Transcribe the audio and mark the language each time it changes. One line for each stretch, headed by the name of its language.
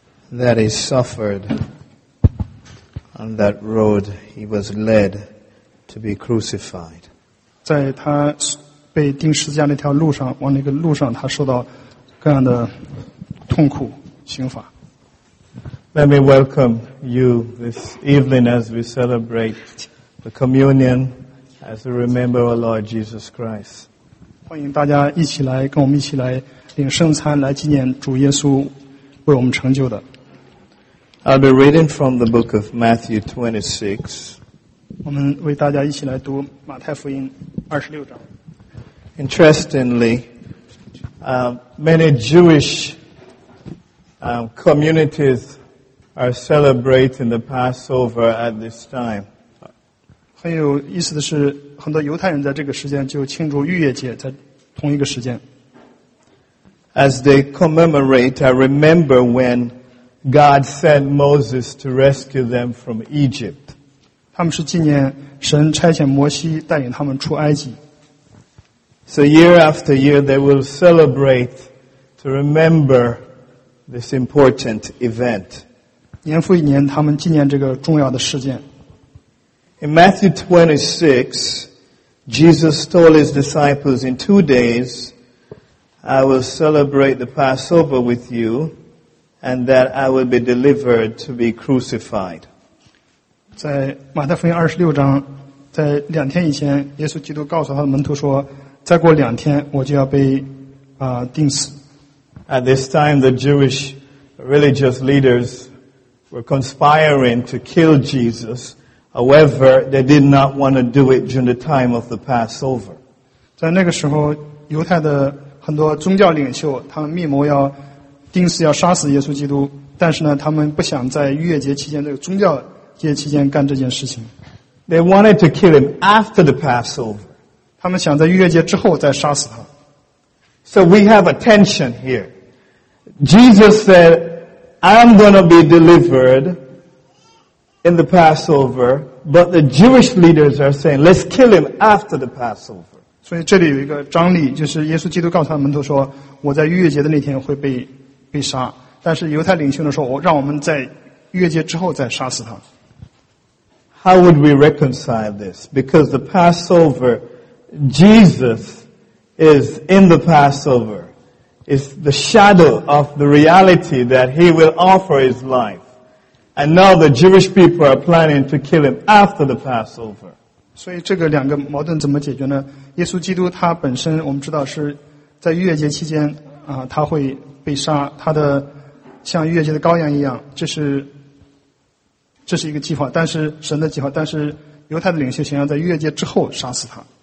English: That he suffered on that road, he was led to be crucified.
Chinese: 在他被钉十字架那条路上，往那个路上，他受到各样的痛苦刑罚。
English: Let me welcome you this evening as we celebrate the communion as we remember our Lord Jesus Christ.
Chinese: 欢迎大家一起来，跟我们一起来领圣餐，来纪念主耶稣为我们成就的。
English: I'll be reading from the book of Matthew 26.
Chinese: 我们为大家一起来读马太福音二十六章。
English: Interestingly, many Jewish communities are celebrating the Passover at this time.
Chinese: 很有意思的是，很多犹太人在这个时间就庆祝逾越节，在同一个时间。
English: As they commemorate, I remember when God sent Moses to rescue them from Egypt.
Chinese: 他们是纪念神差遣摩西带领他们出埃及。
English: So year after year, they will celebrate to remember this important event.
Chinese: 年复一年，他们纪念这个重要的事件。
English: In Matthew 26, Jesus told his disciples, "In 2 days, I will celebrate the Passover with you, and that I will be delivered to be crucified."
Chinese: 在马太福音二十六章，在两天以前，耶稣基督告诉他的门徒说，再过两天，我就要被钉死。
English: At this time, the Jewish religious leaders were conspiring to kill Jesus. However, they did not want to do it during the time of the Passover.
Chinese: 在那个时候，犹太的很多宗教领袖，他们密谋要钉死，要杀死耶稣基督。但是呢，他们不想在逾越节期间，这个宗教节期间干这件事情。
English: They wanted to kill him after the Passover.
Chinese: 他们想在逾越节之后再杀死他。
English: So we have a tension here. Jesus said, "I'm going to be delivered in the Passover," but the Jewish leaders are saying, "Let's kill him after the Passover."
Chinese: 所以这里有一个张力，就是耶稣基督告诉他的门徒说，我在逾越节的那天会被杀，但是犹太领袖呢说，让我们在逾越节之后再杀死他。
English: How would we reconcile this? Because the Passover, Jesus is in the Passover, is the shadow of the reality that he will offer his life. And now the Jewish people are planning to kill him after the Passover.
Chinese: 所以这个两个矛盾怎么解决呢？耶稣基督他本身我们知道是在逾越节期间他会被杀，他的像逾越节的羔羊一样，这是一个计划，但是神的计划，但是犹太的领袖想要在逾越节之后杀死他。